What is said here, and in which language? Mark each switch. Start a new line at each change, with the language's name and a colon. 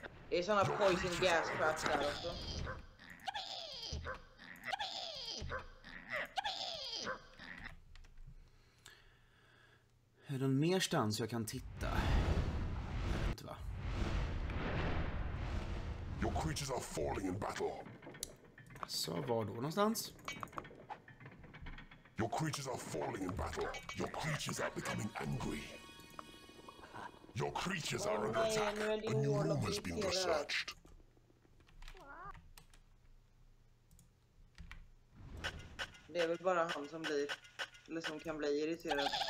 Swedish: Det är såna poison gas traps där också. Är det någon mer stans jag kan titta? Jag vet inte va?
English: Your creatures are falling in battle.
Swedish: Så var då någonstans?
English: Your creatures are falling in battle. Your creatures are becoming angry. Your creatures are under attack. A new room has been researched.
Swedish: Det är väl bara han som blir, eller som kan bli irriterad.